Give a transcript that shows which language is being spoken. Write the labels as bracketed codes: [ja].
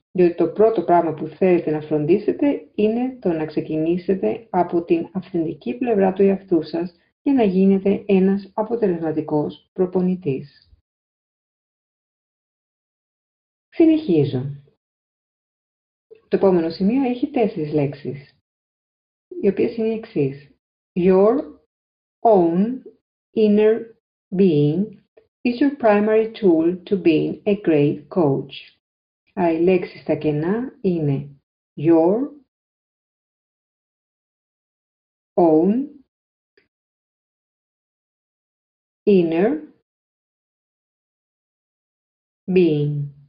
[el] Διότι το πρώτο πράγμα που θέλετε να φροντίσετε είναι το να ξεκινήσετε από την αυθεντική πλευρά του εαυτού σας για να γίνετε ένας αποτελεσματικός προπονητής. Συνεχίζω. Το επόμενο σημείο έχει 4 λέξεις, οι οποίες είναι οι εξής. [en] Your own inner being is your primary tool to being a great coach. [el] Άρα οι λέξεις στα κενά είναι [en] your own inner being.